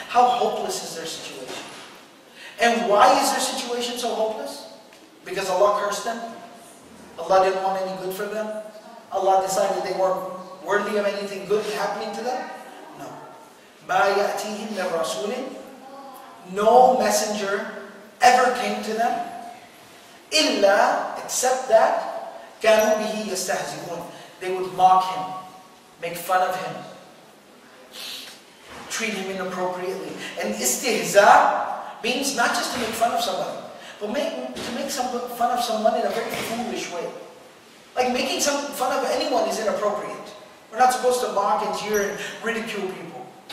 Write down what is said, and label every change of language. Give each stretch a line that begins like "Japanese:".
English: How hopeless is their situation? And why is their situation so hopeless? Because Allah cursed them? Allah didn't want any good for them? Allah decided they weren't worthy of anything good happening to them? No.
Arabic: مَا يَأْتِيهِمْ لَرَسُولٍ.
English: No messenger ever came to them.
Arabic: إِلَّا.
English: Except that
Arabic: كَانُوا بِهِ يَسْتَهْزِئُونَ.
English: They would mock him, make fun of him, treat him inappropriately. And istihza means not just to make fun of somebody, but to make fun of someone in a very foolish way. Like making some fun of anyone is inappropriate. We're not supposed to mock and jeer and ridicule people.